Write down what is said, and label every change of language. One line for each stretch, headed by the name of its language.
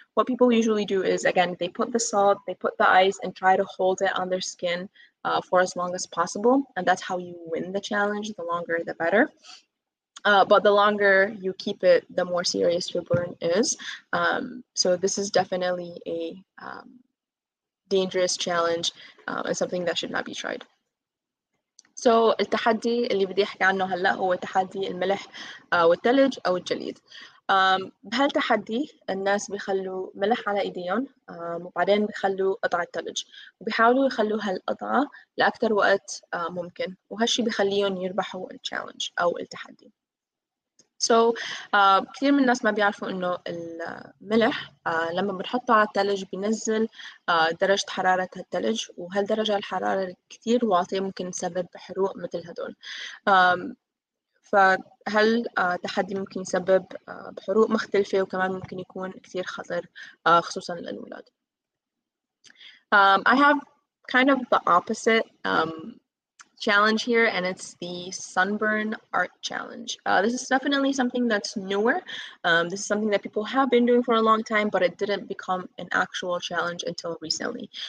English: What people usually do is, again, they put the salt, they put the ice and try to hold it on their skin for as long as possible. And that's how you win the challenge, the longer the better. But the longer you keep it, the more serious your burn is. So this is definitely a dangerous challenge and something that should not be tried.
Arabic: So التحدي اللي بدي أحكي عنه هلأ هو تحدي الملح والثلج أو الجليد. بهالتحدي الناس بيخلوا ملح على إيديهم وبعدين بيخلوا قطعة ثلج وبيحاولوا يخلوا هالقطعة لأكثر وقت ممكن وهالشي بيخليهم يربحوا التشالنج أو التحدي. So كثير من الناس ما بيعرفوا إنه الملح لما بنحطه على الثلج بينزل درجة حرارة الثلج وهالدرجة الحرارة كثير واطية ممكن تسبب حروق مثل هدول. فهل تحدي ممكن يسبب حروق مختلفة وكمان ممكن يكون كثير خطر خصوصا للأولاد.
English: I have kind of the opposite challenge here, and it's the sunburn art challenge. This is definitely something that's newer. This is something that people have been doing for a long time, but it didn't become an actual challenge until recently.